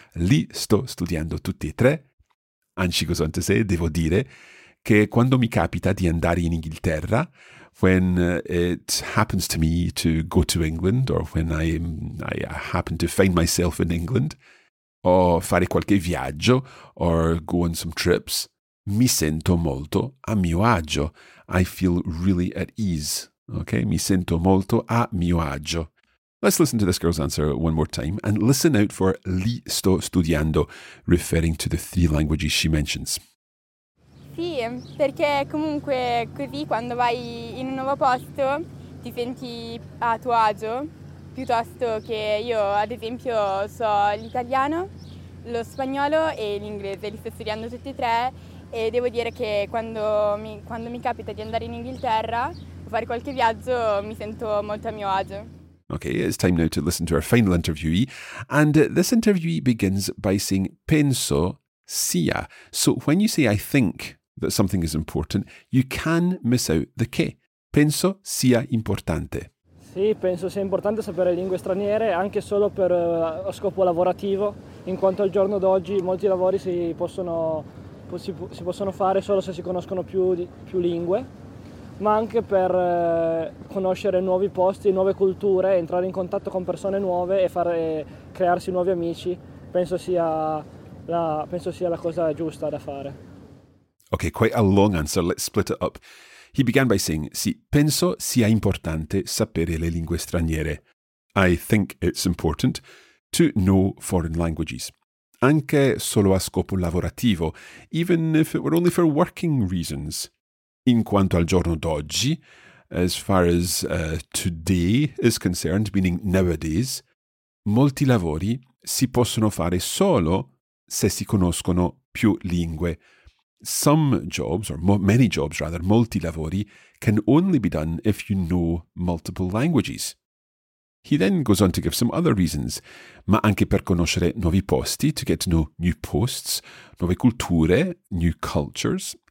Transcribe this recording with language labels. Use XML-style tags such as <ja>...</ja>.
<it>Li sto studiando tutti e tre.</it> <en>And she goes on to say,</en> <it>devo dire che quando mi capita di andare in Inghilterra,</it> <en>when it happens to me to go to England, or when I happen to find myself in England,</en> <it>o fare qualche viaggio,</it> <en>or go on some trips,</en> <it>mi sento molto a mio agio.</it> <en>I feel really at ease. Okay,</en> <it>mi sento molto a mio agio.</it> <en>Let's listen to this girl's answer one more time and listen out for</en> <it>li sto studiando,</it> <en>referring to the three languages she mentions.</en> <it>Sì, perché comunque così quando vai in un nuovo posto ti senti a tuo agio, piuttosto che io ad esempio so l'italiano, lo spagnolo e l'inglese, li sto studiando tutti e tre e devo dire che quando mi capita di andare in Inghilterra o fare qualche viaggio mi sento molto a mio agio.</it> <en>Okay, it's time now to listen to our final interviewee. And this interviewee begins by saying,</en> <it>penso sia.</it> <en>So when you say, I think that something is important, you can miss out the che.</en> <it>Penso sia importante. Sì, penso sia importante sapere lingue straniere, anche solo per scopo lavorativo, in quanto al giorno d'oggi molti lavori si possono fare solo se si conoscono più lingue. Ma anche per conoscere nuovi posti, nuove culture, entrare in contatto con persone nuove e crearsi nuovi amici, penso sia la cosa giusta da fare.</it> <en>Okay, quite a long answer, let's split it up. He began by saying,</en> <it>sì, penso sia importante sapere le lingue straniere.</it> <en>I think it's important to know foreign languages.</en> <it>Anche solo a scopo lavorativo,</it> <en>even if it were only for working reasons.</en> <it>In quanto al giorno d'oggi,</it> <en>as far as today is concerned, meaning nowadays,</en> <it>molti lavori si possono fare solo se si conoscono più lingue.</it> <en>Some jobs, or many jobs rather,</en> <it>molti lavori,</it> <en>can only be done if you know multiple languages. He then goes on to give some other reasons,</en> <it>ma anche per conoscere nuovi posti,</it> <en>to get to know new posts,</en> <it>nuove culture,</it> <en>new cultures.</en>